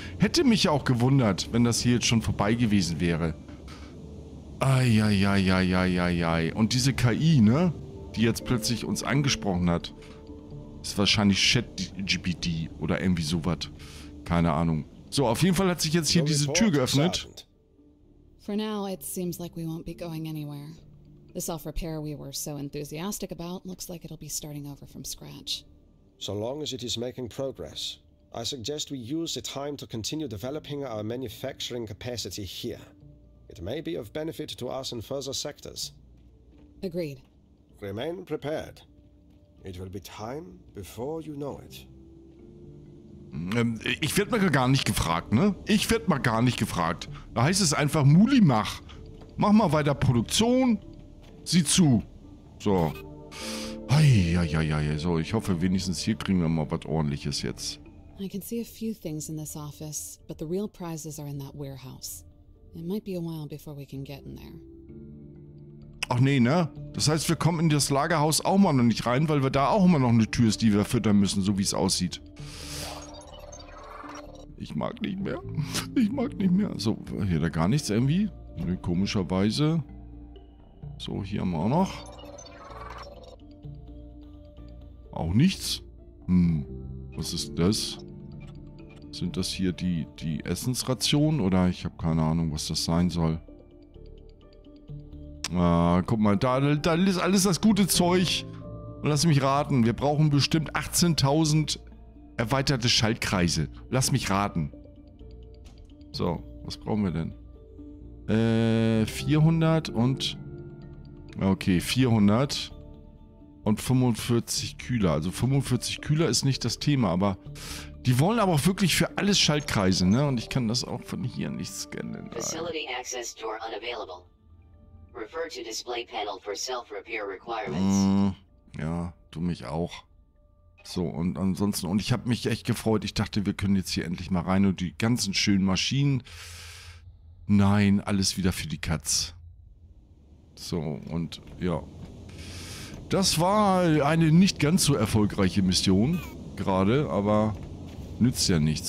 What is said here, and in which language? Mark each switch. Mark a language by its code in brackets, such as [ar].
[de] Hätte mich ja auch gewundert, wenn das hier jetzt schon vorbei gewesen wäre. Eieieiei. Und diese KI, ne, die jetzt plötzlich uns angesprochen hat. Ist wahrscheinlich ChatGPT oder irgendwie sowas. Keine Ahnung. So, auf jeden Fall hat sich jetzt hier diese Tür geöffnet. [en] For now, it seems like we won't be going anywhere. The self-repair we were so enthusiastic about looks like it'll be starting over from scratch. So long as it is making progress, I suggest we use the time to continue developing our manufacturing capacity here. It may be of benefit to us in further sectors. Agreed. Remain prepared. It will be time before you know it. [de] Ich werd mal gar nicht gefragt, ne? Ich werd mal gar nicht gefragt. Da heißt es einfach, Muli, mach. Mach mal weiter Produktion. Sieh zu. So. Eieieiei. So, ich hoffe, wenigstens hier kriegen wir mal was Ordentliches jetzt. [en] I can see a few things in this office, but the real prizes are in that warehouse. It might be a while before we can get in there. [de] Ach nee, ne? Das heißt, wir kommen in das Lagerhaus auch mal noch nicht rein, weil wir da auch immer noch eine Tür ist, die wir füttern müssen, so wie es aussieht. Ich mag nicht mehr. Ich mag nicht mehr. So, hier da gar nichts irgendwie. Nee, komischerweise. So, hier haben wir auch noch. Auch nichts. Hm. Was ist das? Sind das hier die Essensrationen? Oder ich habe keine Ahnung, was das sein soll. Ah, guck mal, da ist alles das gute Zeug. Lass mich raten, wir brauchen bestimmt 18.000 erweiterte Schaltkreise. Lass mich raten. So, was brauchen wir denn? 400 und... Okay, 400. Und 45 Kühler. Also 45 Kühler ist nicht das Thema, aber... Die wollen aber auch wirklich für alles Schaltkreise, ne? Und ich kann das auch von hier nicht scannen. [en] Facility Access Door unavailable. Refer to display panel for self-repair requirements. [de] Ja, du mich auch. So, und ansonsten, und ich habe mich echt gefreut. Ich dachte, wir können jetzt hier endlich mal rein und die ganzen schönen Maschinen. Nein, alles wieder für die Katz. So, und ja. Das war eine nicht ganz so erfolgreiche Mission gerade, aber nützt ja nichts.